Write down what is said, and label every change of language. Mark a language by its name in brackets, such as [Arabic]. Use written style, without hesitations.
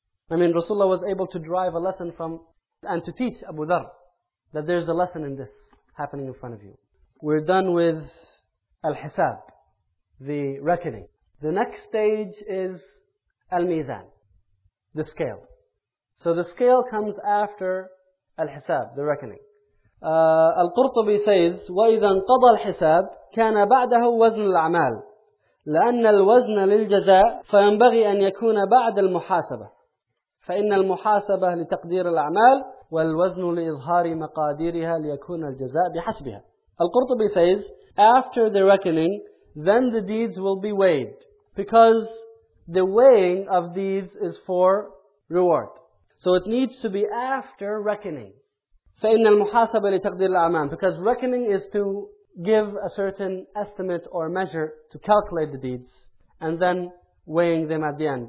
[English] I mean, Rasulullah was able to drive a lesson from, and to teach Abu Dhar, that there's a lesson in this happening in front of you. We're done with Al-Hisab, the reckoning. The next stage is Al-Mizan, the scale. So the scale comes after Al-Hisab, the reckoning. Al-Qurtubi says, [Arabic] وَإِذَا انْقَضَى الْحِسَابِ كَانَ بَعْدَهُ وَزْنُ الْأَعْمَالِ لأن الوزن للجزاء فينبغي أن يكون بعد المحاسبة فإن المحاسبة لتقدير الأعمال والوزن لإظهار مقاديرها ليكون الجزاء بحسبها. [English] القرطبي says, after the reckoning, then the deeds will be weighed because the weighing of deeds is for reward. So it needs to be after reckoning. [Arabic] فإن المحاسبة لتقدير الأعمال [English] because reckoning is to give a certain estimate or measure to calculate the deeds and then weighing them at the end.